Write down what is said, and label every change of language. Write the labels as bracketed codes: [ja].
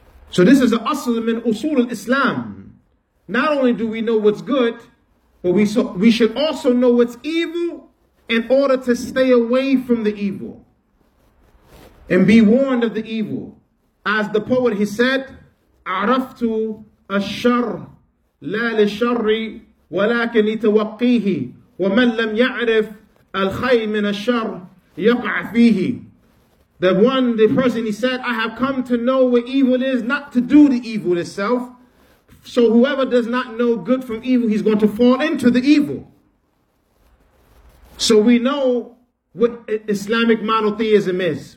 [en] So this is the asl min usul al-Islam. Not only do we know what's good, but we should also know what's evil in order to stay away from the evil and be warned of the evil. As the poet, he said, [ar] عرفت الشر لا للشر ولكن لتوقيه ومن لم يعرف الخير من الشر يقع فيه. [en] The person, he said, I have come to know what evil is, not to do the evil itself. So whoever does not know good from evil, he's going to fall into the evil. So we know what Islamic monotheism is.